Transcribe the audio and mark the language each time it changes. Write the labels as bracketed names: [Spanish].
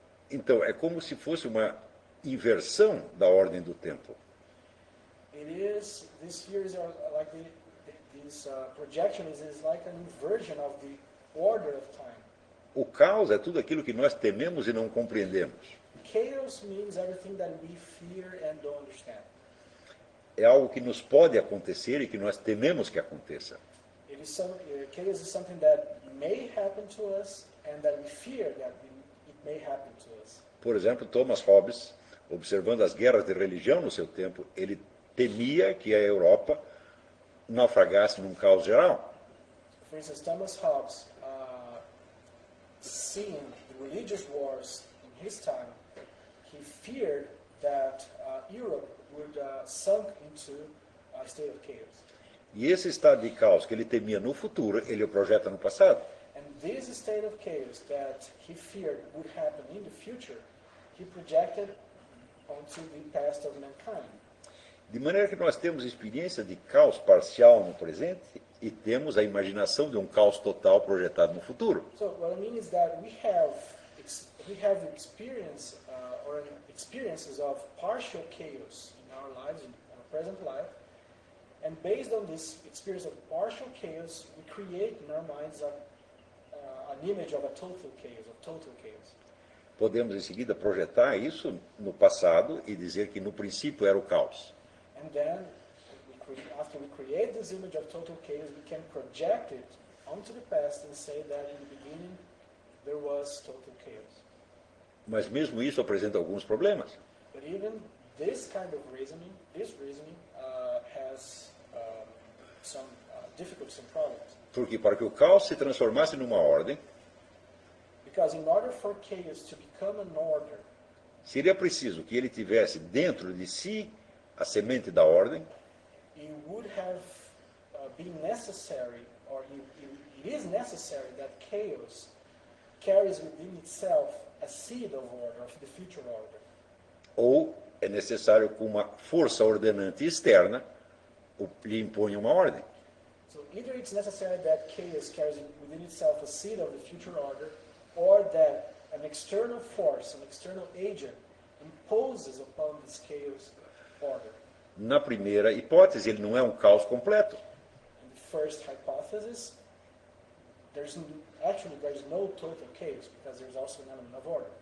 [Portuguese] Então, é como se fosse uma inversão da ordem do tempo. [English] It is, this here is like this projection is like an inversion of the order of time. [Portuguese] O caos é tudo aquilo que nós tememos e não compreendemos. [English] Chaos means everything that we fear and don't understand. [Portuguese] É algo que nos pode acontecer e que nós tememos que aconteça. [English] Chaos is something that may happen to us and that we fear that it may happen to us. [Portuguese] Por exemplo, Thomas Hobbes, observando as guerras de religião no seu tempo, ele temia que a Europa naufragasse num caos geral. [English] For instance, Thomas Hobbes, seeing the religious wars in his time, he feared that Europe would sunk into a state of chaos. [Portuguese] E esse estado de caos que ele temia no futuro, ele o projeta no passado. [English] And this state of chaos that he feared would happen in the future, he projected onto the past of mankind. [Portuguese] De maneira que nós temos experiência de caos parcial no presente e temos a imaginação de um caos total projetado no futuro. [English] So, what I mean is that we have we have experience or experiences of partial chaos in our lives, in our present life, and based on this experience of partial chaos, we create in our minds an image of a total chaos, of total chaos. [Portuguese] Podemos em seguida projetar isso no passado e dizer que no princípio era o caos. [English] And then, after we create this image of total chaos, we can project it onto the past and say that in the beginning there was total chaos. [Portuguese] Mas mesmo isso apresenta alguns problemas. [English] But even this kind of reasoning, this reasoning has some difficulties and problems. [Portuguese] Porque para que o caos se transformasse numa ordem, [English] because in order for chaos to become an order, [Portuguese] seria preciso que ele tivesse dentro de si a semente da ordem. [English] It would have been necessary, or it is necessary, that chaos carries within itself a seed of order, of the future order. [Portuguese] Ou é necessário que uma força ordenante externa lhe imponha uma ordem. [English] So either it's necessary that chaos carries within itself a seed of the future order, or that an external force, an external agent, imposes upon this chaos order. [Portuguese] Na primeira hipótese, ele não é um caos completo. [English] In the first hypothesis, there's no total chaos, because there's also an element of order.